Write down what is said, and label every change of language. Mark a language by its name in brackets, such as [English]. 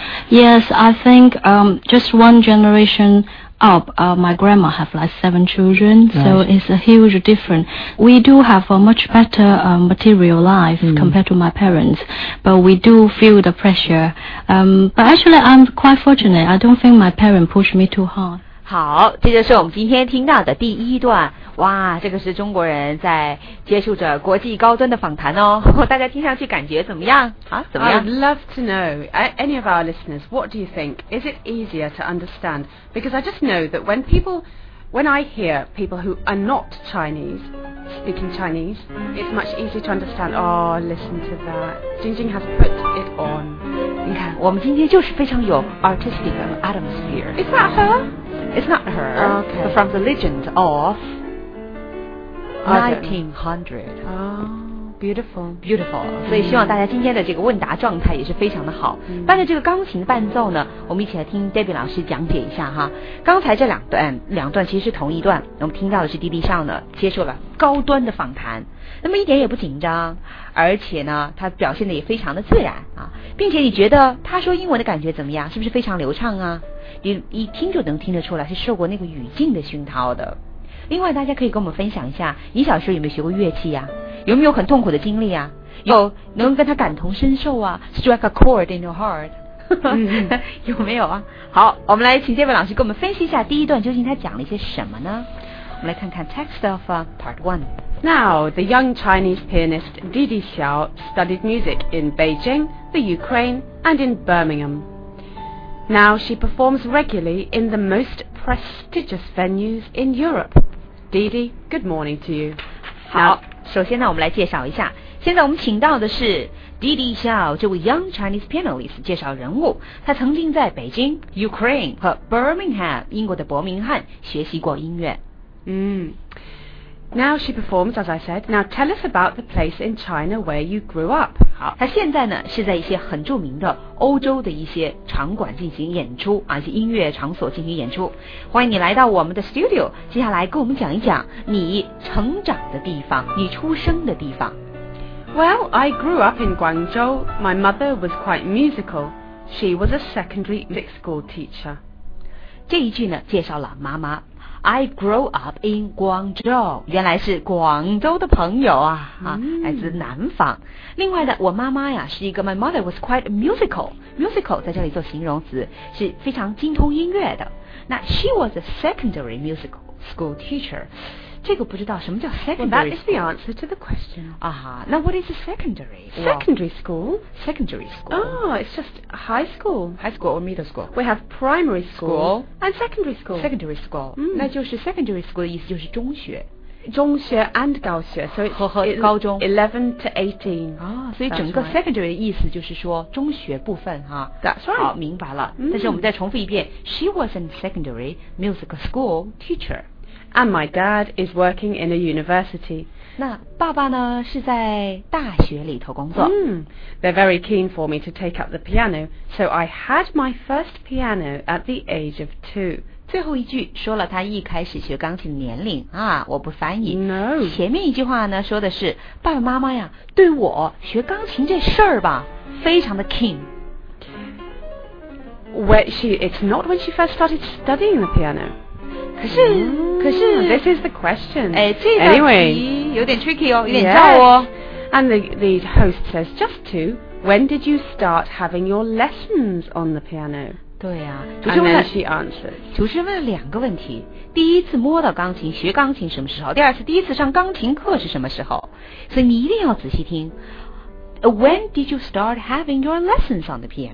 [English] Yes, I think just one generation up, my grandma have like 7 children, right. So it's a huge difference. We do have a much better material life compared to my parents, but we do feel the pressure. But actually, I'm quite fortunate. I don't think my parents pushed me too hard. [Chinese] 好，这就是我们今天听到的第一段。哇，这个是中国人在接触着国际高端的访谈哦，大家听上去感觉怎么样？啊，怎么样 [English] ？I'd love to know any of our listeners. What do you think? Is it easier to understand? Because I just know that when I hear people who are not Chinese speaking Chinese, it's much easier to understand. Oh, listen to that. Jingjing has put it on. [Chinese] 你看，我们今天就是非常有 [English] artistic atmosphere. Is that her? It's not her. Okay. But from the legend of. 1900. Oh, beautiful. Beautiful. [Chinese] 所以希望大家今天的这个问答状态也是非常的好。伴着这个钢琴的伴奏呢，我们一起来听 Debbie 老师讲解一下哈。刚才这两段其实是同一段，我们听到的是 Didi Xiao 呢接受了高端的访谈，那么一点也不紧张，而且呢他表现得也非常的自然啊，并且你觉得他说英文的感觉怎么样？是不是非常流畅啊？你一听就能听得出来是受过那个语境的熏陶的。另外大家可以跟我们分享一下，你小时候有没有学过乐器啊？有没有很痛苦的经历啊？有能跟他感同身受啊？ [English] Strike a chord in your heart [Chinese] 有没有啊？好，我们来请这位老师跟我们分析一下第一段究竟他讲了一些什么呢。我们来看看 [English] text of part 1. Now the young Chinese pianist Didi Xiao studied music in Beijing, the Ukraine and in Birmingham. Now she performs regularly in the most prestigious venues in EuropeDidi, good morning to you. [Chinese] 好，首先呢，我们来介绍一下。现在我们请到的是 Didi Xiao 这位 [English] young Chinese pianist [Chinese] 介绍人物。他曾经在北京 Ukraine 和 Birmingham 英国的伯明翰学习过音乐。 [English] Now she performs, as I said. Now tell us about the place in China where you grew up. [Chinese] 好，她现在呢是在一些很著名的欧洲的一些场馆进行演出，啊，一些音乐场所进行演出。欢迎你来到我们的 studio， 接下来跟我们讲一讲你成长的地方，你出生的地方。 [English] Well, I grew up in Guangzhou. My mother was quite musical. She was a secondary music school teacher. [Chinese] 这一句呢，介绍了妈妈。 [English] I grew up in Guangzhou. [Chinese] 原来是广州的朋友啊，来自南方。另外呢，我妈妈呀，是一个 [English] my mother was quite musical. [Chinese] Musical 在这里做形容词，是非常精通音乐的。 [English] 那 she was a secondary music school teacher. [Chinese] 这个不知道什么叫 secondary [English] school. Well, that is the answer to the question. Now, what is a secondary? Secondary school. Secondary school. Oh, it's just high school. High school or middle school. We have primary school. And secondary school. [Chinese] Secondary school.、那就是 [English] secondary school [Chinese] 的意思就是中学。中学 and 高学。 [English] So it's [Chinese] 高中。 [English] 11 to 18. [Chinese] 所以整个 secondary 的意思就是说中学部分。 [English] That's right. [Chinese] 好，明白了。但是我们再重复一遍。 [English] She was a secondary music school teacher. And my dad is working in a university. [Chinese] 那爸爸呢是在大学里头工作。 [English] They're very keen for me to take up the piano, so I had my first piano at the age of 2. [Chinese] 最后一句说了他一开始学钢琴的年龄啊，我不翻译。 [English] No. [Chinese] 前面一句话呢说的是爸爸妈妈呀对我学钢琴这事儿吧非常的 keen。 [English] It's not when she first started studying the piano. [Chinese] 可是 [English] this is the question. [Chinese] Anyway, 有点 tricky 哦，有点绕哦。 [English] And the host says, just to, when did you start having your lessons on the piano? [Chinese] 对啊， [English] And then she answers. [Chinese] 主持人问了两个问题，第一次摸到钢琴，学钢琴什么时候？第二次，第一次上钢琴课是什么时候？所以你一定要仔细听。 [English] When did you start having your lessons on the piano?